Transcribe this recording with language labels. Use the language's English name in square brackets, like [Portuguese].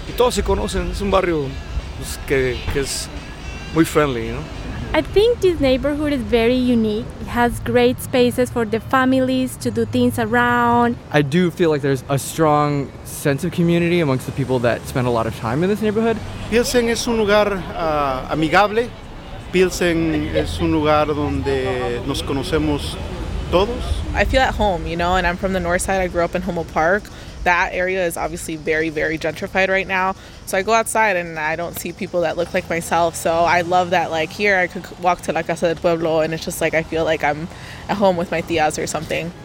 [Spanish] Todos se conocen, es un barrio que es muy friendly, [English] you know? I think this neighborhood is very unique. It has great spaces for the families to do things around. I do feel like there's a strong sense of community amongst the people that spend a lot of time in this neighborhood. [Spanish] Pilsen es un lugar amigable. Pilsen es un lugar donde nos conocemos todos. [English] I feel at home, you know, and I'm from the north side. I grew up in Homo Park. That area is obviously very, very gentrified right now. So I go outside and I don't see people that look like myself. So I love that, like, here I could walk to La Casa del Pueblo and it's just like I feel like I'm at home with my tías or something.